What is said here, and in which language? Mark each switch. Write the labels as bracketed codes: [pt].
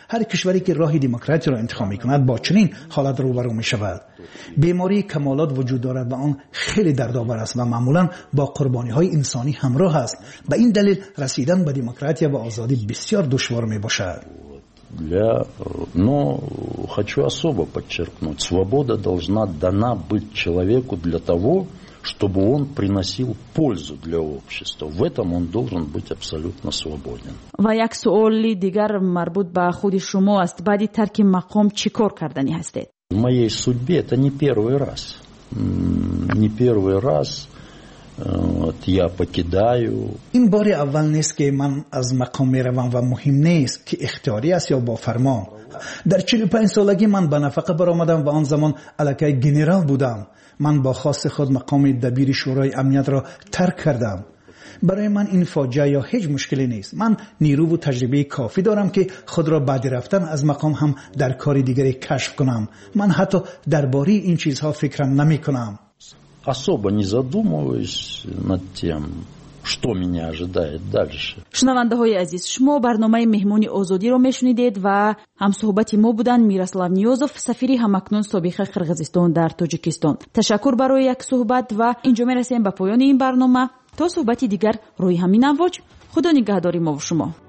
[fa] هر کشوری که راه دموکراسی را انتخاب می کند با چنین حالت روبرو می شود. بیماری کمالات وجود دارد و آن خیلی دردآور است و معمولا با قربانی های انسانی همراه است. به این دلیل رسیدن به دموکراسی و آزادی بسیار دشوار می باشد. [ru] Но хочу особо подчеркнуть, свобода должна дана быть человеку для того, чтобы он приносил пользу для общества. В этом он должен быть абсолютно свободен. [tg] Ва як суоли дигар марбут ба худи шумо аст, баъди тарки мақом чикор кардани ҳастед? [ru] В моей судьбе это не первый раз. Я покидаю. [fa] این بار اول نیست که من از مقام می روم و مهم نیست که اختیاری است یا با فرمان. در 45 سالگی من به نفقه برآمدم و آن زمان الکی جنرال بودم. من با خواست خود مقام دبیر شورای امنیت را ترک کردم. برای من این فاجعه یا هیچ مشکلی نیست. من نیرو و تجربه کافی دارم که خود را بعد رفتن از مقام هم در کار دیگری کشف کنم. من حتی درباره این چیزها فکرم نمی کنم. [ru] особо не задумываюсь над тем, что меня ожидает дальше. [tg] Шунавандагои азиз, шумо барномаи меҳмони озодӣ ро мешунидед ва ҳамсӯҳбати мо буданд Мирослав Ниёзов, сафири ҳамакнун собиқа Қирғизистон дар Тоҷикистон. Ташаккур барои як суҳбат ва инҷо мерасем ба поёни ин барнома. То суҳбати дигар рӯи ҳамин авоч. Худо нигаҳдори мо ва шумо.